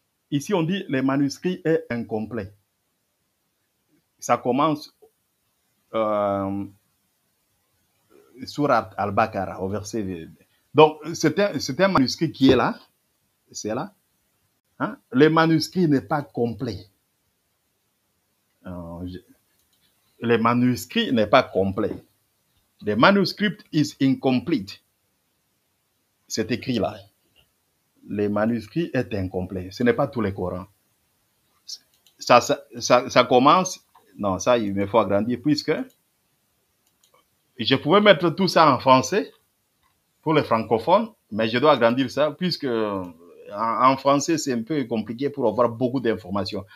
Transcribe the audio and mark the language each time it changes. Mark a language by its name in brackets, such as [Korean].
[French] Ici, on dit que le manuscrit est incomplet. Ça commence Sourate Al-Baqarah, au verset. Donc, c'est un manuscrit qui est là. C'est là. Hein? Le manuscrit n'est pas complet. Le manuscrit n'est pas complet. [English] The manuscript is incomplete. [French] C'est écrit là. Le manuscrit est incomplet. Ce n'est pas tous les Corans. Ça commence. Non, ça, il me faut agrandir puisque je pouvais mettre tout ça en français pour les francophones, mais je dois agrandir ça puisque en français, c'est un peu compliqué pour avoir beaucoup d'informations.